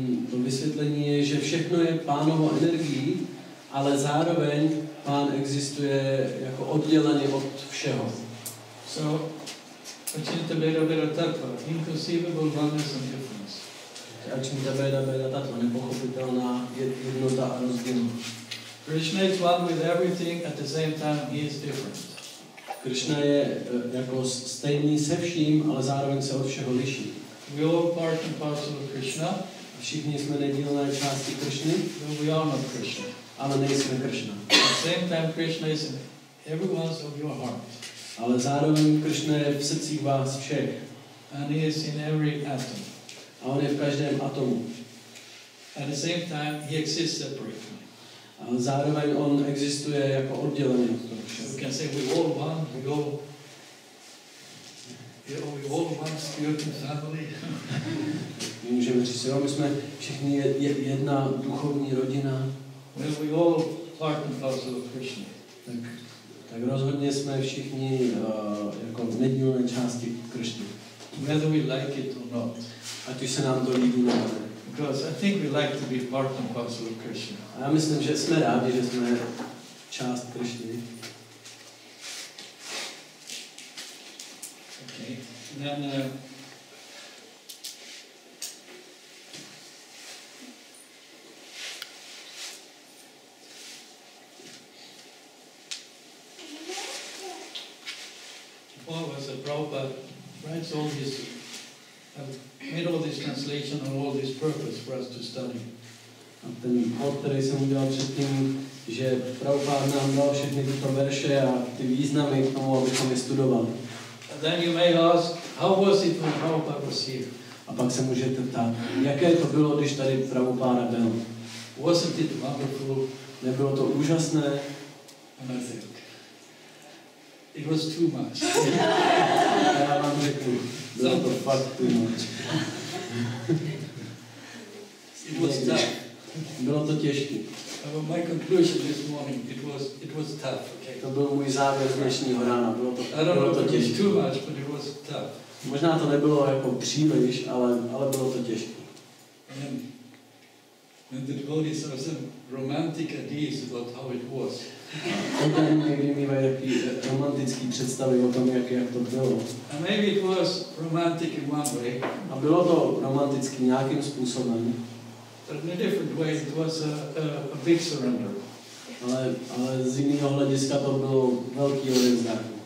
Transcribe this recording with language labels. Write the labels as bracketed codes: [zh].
[cs] To vysvětlení je, že všechno je pánovou energií, ale zároveň pán existuje jako odděleně od všeho. [en] So, Ačinita Veda Veda Tattva, inconceivable oneness and difference. [cs] Ačinita Veda Veda Tattva, nepochopitelná jednota a rozdíl. [en] Krishna is one with everything, at the same time he is different. [cs] Krishna je jako stejný se vším, ale zároveň se od všeho liší. [en] We all part and parcel of Krishna. [cs] Všichni jsme nedílné části Krishny. [en] But we are not Krishna. [cs] Ale nejsme Krishna. [en] At the same time Krishna is in everyone's of your heart. [cs] Ale zároveň Krishna je v srdcích vás všech. [en] And he is in every atom. [cs] A on je v každém atomu. [en] At the same time, he exists separately. [cs] A zároveň on existuje jako oddělený. [en] We can say we all one, we all. Yeah, we all one spirit and family. [cs] My můžeme říct, jo, my jsme všichni jedna duchovní rodina. [en] Well, we all part and parcel of Krishna. [cs] Tak rozhodně jsme všichni jako v nedílné části Krishny. [en] Whether we like it or not. [cs] Ať už se nám to líbí, nebo ne. [en] Because I think we like to be part and parcel of Krishna. [cs] A já myslím, že jsme rádi, že jsme část Krishny. [en] Okay. Then, Prabhupada writes all this, made all this translation and all this purpose for us to study. [cs] A ten chod, který jsem udělal předtím, že Prabhupada nám dal všechny tyto verše a ty významy k tomu, abychom je studovali. [en] And then you may ask, how was it when Prabhupada was here? [cs] A pak se můžete ptát, jaké to bylo, když tady Prabhupada byl? [en] Wasn't it wonderful? [cs] Nebylo to úžasné? [en] And I think, it was too much. [cs] Já vám řeknu, bylo to fakt [en] too much. It was tough. [cs] Bylo to těžké. [en] But my conclusion this morning, it was tough. Okay. [cs] To byl můj závěr dnešního rána. Bylo to těžké. [en] Too much, but it was tough. [cs] Možná to nebylo jako příliš, ale bylo to těžké. [en] And the devotees have some romantic ideas about how it was. [cs] Potom někdy mývají taky romantický představy o tom, jak to bylo. [en] And maybe it was romantic in one way. [cs] A bylo to romantický nějakým způsobem. [en] But in a different way, it was a big surrender. [cs] Ale z jiného hlediska to bylo velký odevzdání.